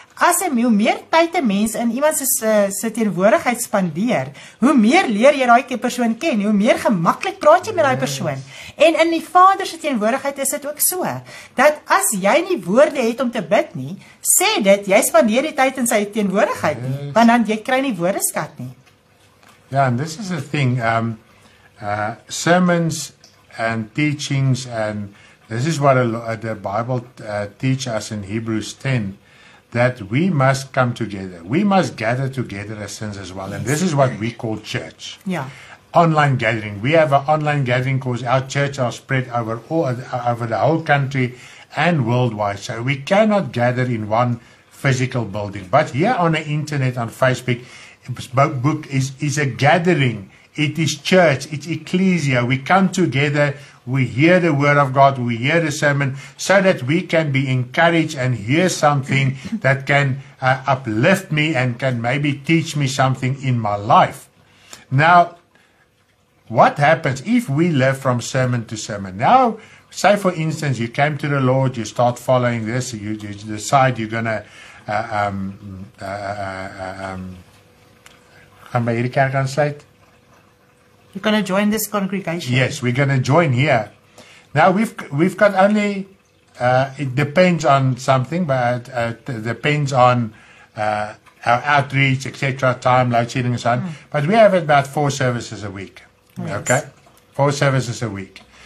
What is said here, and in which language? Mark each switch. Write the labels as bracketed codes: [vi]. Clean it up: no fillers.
[af] as jy hoe meer tyd die mens in iemand se teenwoordigheid spandeer, hoe meer leer jy daai persoon ken, hoe meer gemaklik praat jy met daai persoon, en in die Vader se teenwoordigheid is dit ook so, dat as jy nie woorde het om te bid nie, sê dit, jy spandeer die tyd in sy teenwoordigheid nie, want dan jy kry nie woordeskat nie. [en] Ja, and this is the thing, sermons and teachings, and this is what the Bible teach us in Hebrews 10, that we must come together. We must gather together as sins as well. And this is what we call church. Yeah. Online gathering. We have an online gathering because our church are spread over the whole country and worldwide. So we cannot gather in one physical building. But here on the internet, on Facebook, book is a gathering. It is church. It's ecclesia. We come together. We hear the word of God, we hear the sermon, so that we can be encouraged and hear something that can uplift me and can maybe teach me something in my life. Now, what happens if we live from sermon to sermon? Now, say for instance, you came to the Lord, you start following this, you decide you're going to... [af] Gaan by hierdie kerk aansluit? [en] You're going to join this congregation? Yes, we're going to join here. Now, we've got only, it depends on something, but it depends on our outreach, etc., time, load shedding, and so on. But we have about 4 services a week. Yes. Okay? 4 services a week.